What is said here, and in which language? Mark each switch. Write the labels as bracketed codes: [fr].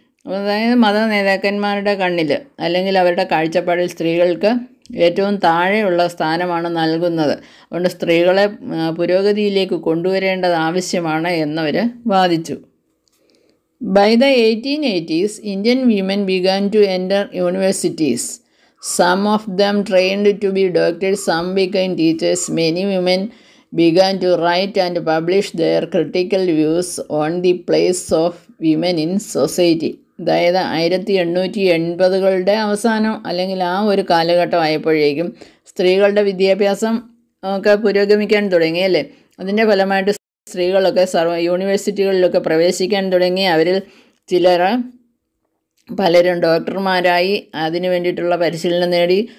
[ml] അതായത് മത നേതാക്കന്മാരുടെ കണ്ണിൽ അല്ലെങ്കിൽ അവരുടെ കാഴ്ചപ്പാടിൽ സ്ത്രീകൾക്ക് ഏറ്റവും താഴെയുള്ള സ്ഥാനമാണ് നൽകുന്നത്, അതുകൊണ്ട് സ്ത്രീകളെ പുരോഗതിയിലേക്ക് കൊണ്ടുവരേണ്ടത് ആവശ്യമാണ് എന്നവർ വാദിച്ചു. [en] By the 1880s Indian women began to enter universities. Some of them trained to be doctors, some became teachers. Many women began to write and publish their critical views on the place of women in society. [ml] അതായത് 1880കളുടെ അവസാനം അല്ലെങ്കിൽ ആ ഒരു കാലഘട്ടം ആയപ്പോഴേക്കും സ്ത്രീകളുടെ വിദ്യാഭ്യാസം ഒക്കെ പുരോഗമിക്കാൻ തുടങ്ങി അല്ലേ. അതിൻ്റെ ഫലമായിട്ട് സ്ത്രീകളൊക്കെ യൂണിവേഴ്സിറ്റികളിലൊക്കെ പ്രവേശിക്കാൻ തുടങ്ങി. അവരിൽ ചിലർ പലരും ഡോക്ടർമാരായി, അതിനു വേണ്ടിയിട്ടുള്ള പരിശീലനം നേടി.